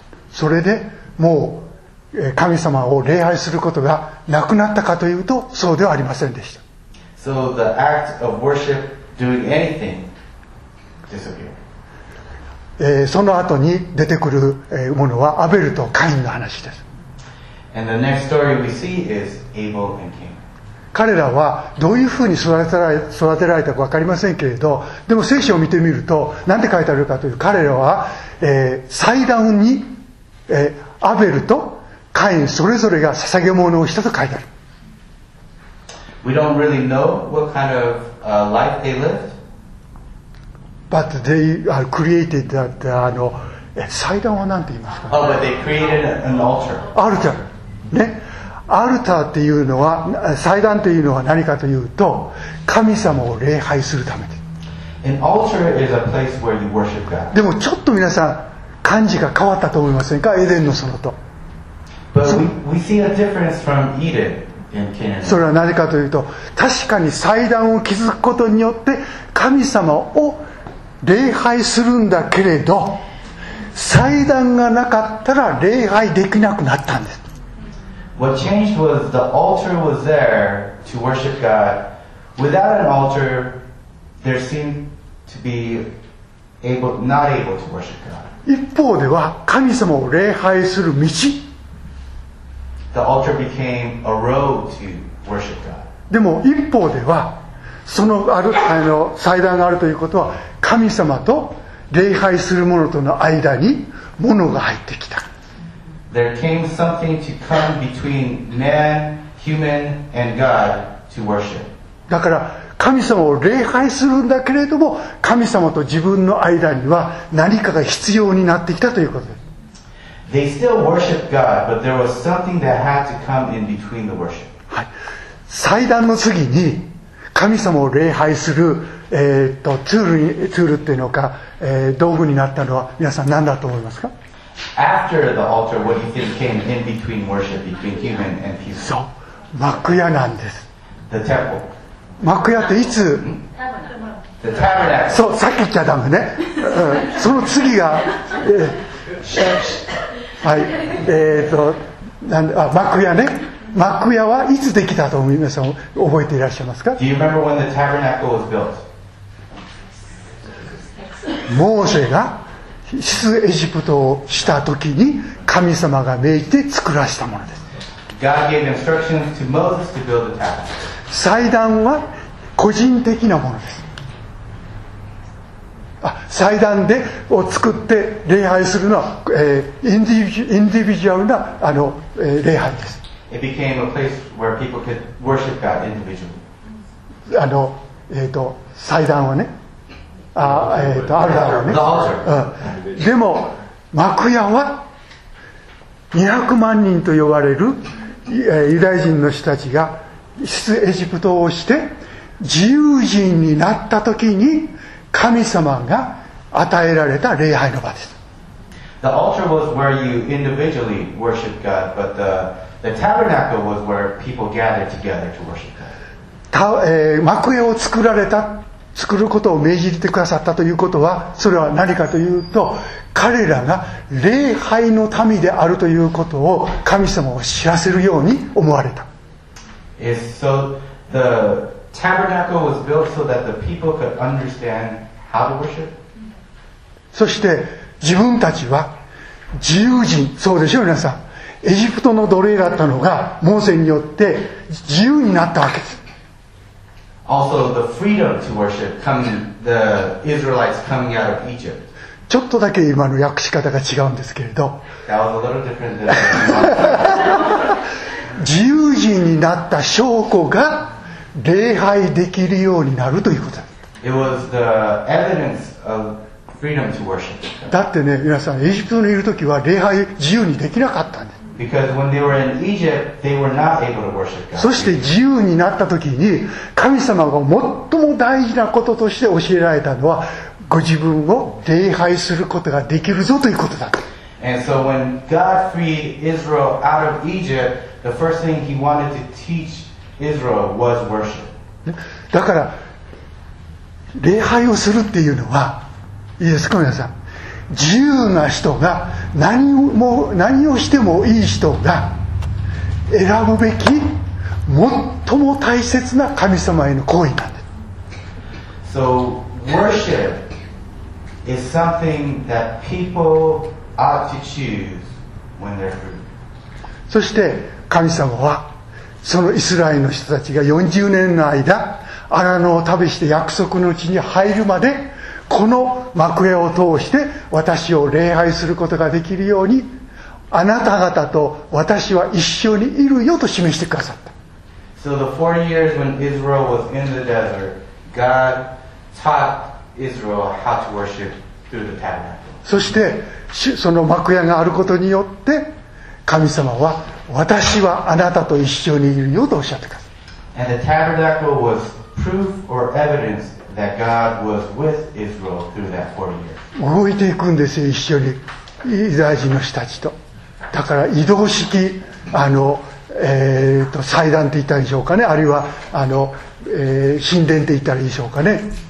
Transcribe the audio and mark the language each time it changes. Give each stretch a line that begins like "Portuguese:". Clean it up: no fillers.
Japanese: それでもう神様を礼拝することがなくなったかというとそうではありませんでした。
English: So the act of worship doing anything disappeared.
Japanese: その後に出てくるものはアベルとカインの話です。
English: And the next story we see is Abel and Cain.
Japanese: 彼らはどういうふうに育てられたか分かりませんけれど、でも聖書を見てみると何て書いてあるかという、彼らは、祭壇に、アベルとカインそれぞれが捧げ物をしたと書いてある。
English: We don't really know what kind of life they lived, but they created that
Japanese: 祭壇は何て言いますか、
English: but they created an altar.
Japanese: アルタルね、アルターっていうのは、祭壇というのは何かというと、神様を礼拝するためで。
English: An altar is a place where you worship God.
Japanese: でもちょっと皆さん、漢字が変わったと思いませんか、エデンの園と。
English: But we see a difference from Eden and Canaan.
Japanese: それはなぜかというと、確かに祭壇を築くことによって、神様を礼拝するんだけれど、祭壇がなかったら礼拝できなくなったんです。
English: What changed was the altar was there to worship God. Without an altar, there seemed to be not able to worship God.
Japanese: 一方では神様を礼拝する道。
English: The altar became a road to worship God.
Japanese: でも一方ではそのある祭壇があるということは神様と礼拝する者との間に物が入ってきた。
English: There came something to come between man, human, and God to worship.
Japanese: だから神様を礼拝するんだけれども、神様と自分の間には何かが必要になってきたということです。
English: They still worshiped God, but there was something that had to come in between the worship.
Japanese: はい。祭壇の次に神様を礼拝する、ツールっていうのか、道具になったのは皆さん何だと思いますか？
English: After the altar, what do you think came in between worship, between human and human?
Japanese: そう、幕屋なんです。
English: The temple.
Japanese: 幕屋っていつ？
English: The tabernacle.
Japanese: そう、さっき言っちゃダメね。その次が、はい、なんあ幕屋ね。幕屋はいつできたと皆さん覚えていらっしゃいますか？
English: Do you remember when the tabernacle was built?
Japanese: モーセが出エジプトをした時に神様が命じて作らせたものです。
English: God gave instructions to Moses to build the tabernacle.
Japanese: 祭壇は個人的なものです。あ、祭壇でを作って礼拝するのは、インディビジュアルなあの、礼拝です。
English: It became a place where people could worship God individually.
Japanese: あの、祭壇はね、あ、あるだろうね。
English: The altar.
Japanese: うん。でも幕屋は200万人と呼ばれるユダヤ人の人たちが出エジプトをして自由人になった時に神様が与えられた礼拝の場です。
English: The altar was where you individually worship God, but the tabernacle was where people gathered together to worship God.
Japanese: 幕屋を作られた、作ることを命じてくださったということは、それは何かというと、彼らが礼拝の民であるということを神様を知らせるように思われた。
English: Is so the tabernacle was built so that the people could understand how to worship.
Japanese: そして自分たちは自由人、そうでしょう皆さん。エジプトの奴隷だったのがモーセによって自由になったわけです。
English: Also, the freedom to worship coming the Israelites coming out of Egypt.
Japanese: ちょっとだけ今の訳し方が違うんですけれど。
English: That was a little different than.
Japanese: 自由人になった証拠が礼拝できるようになるということだった。
English: It was the evidence of freedom to worship.
Japanese: だってね、皆さんエジプトにいるときは礼拝自由にできなかったんです。
English: Because when they were in Egypt, they were not able to worship God.
Japanese: そして自由になったときに神様が最も大事なこととして教えられたのは、ご自分を礼拝することができるぞということだった。
English: And so when God freed Israel out of Egypt, the first thing He wanted to teach Israel was worship.
Japanese: だから礼拝をするっていうのは、いいですか皆さん。自由な人が何をしてもいい人が選ぶべき最も大切な神様への行為なんです
English: So worship is something that people ought to choose when they're free.
Japanese: そして神様はそのイスラエルの人たちが40年の間アラノを旅して約束の地に入るまで、この幕屋を通して私を礼拝することができるように、あなた方と私は一緒にいるよと示してくださった。
English: So the 40 years when Israel was in the desert, God taught Israel how to worship through the tabernacle.
Japanese: そしてその幕屋があることによって神様は私はあなたと一緒にいるよとおっしゃってくださった。
English: And the tabernacle was proof or evidenceThat God was with Israel through that 40 years.
Japanese: 動いていくんですよ、一緒にイザヤ人の人たちと。だから移動式あの、祭壇って言ったんでしょうかね、あるいはあの、神殿って言ったらいいでしょうかね。